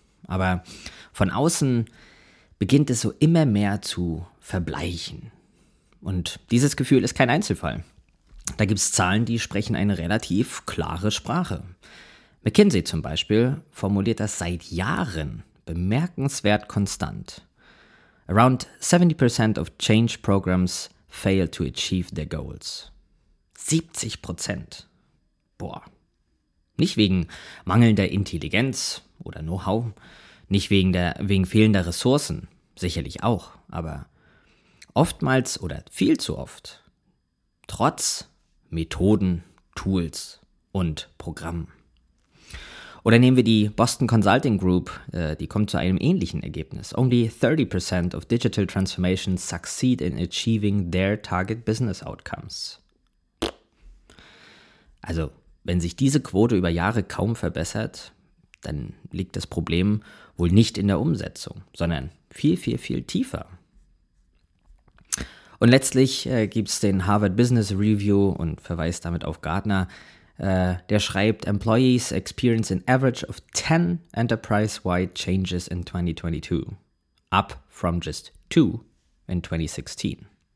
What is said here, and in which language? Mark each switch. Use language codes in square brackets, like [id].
[de] Aber von außen beginnt es so immer mehr zu verbleichen. Und dieses Gefühl ist kein Einzelfall. Da gibt es Zahlen, die sprechen eine relativ klare Sprache. McKinsey zum Beispiel formuliert das seit Jahren bemerkenswert konstant. [en] Around 70% of change programs fail to achieve their goals. [de] 70%. Boah. Nicht wegen mangelnder Intelligenz oder Know-how, nicht wegen fehlender Ressourcen, sicherlich auch, aber oftmals oder viel zu oft, trotz Methoden, Tools und Programmen. Oder nehmen wir die Boston Consulting Group, die kommt zu einem ähnlichen Ergebnis. [en] Only 30% of digital transformations succeed in achieving their target business outcomes. [de] Also, wenn sich diese Quote über Jahre kaum verbessert, dann liegt das Problem wohl nicht in der Umsetzung, sondern viel, viel, viel tiefer. Und letztlich gibt es den Harvard Business Review und verweist damit auf Gartner, der schreibt, [en] Employees experience an average of 10 enterprise-wide changes in 2022, up from just 2 in 2016.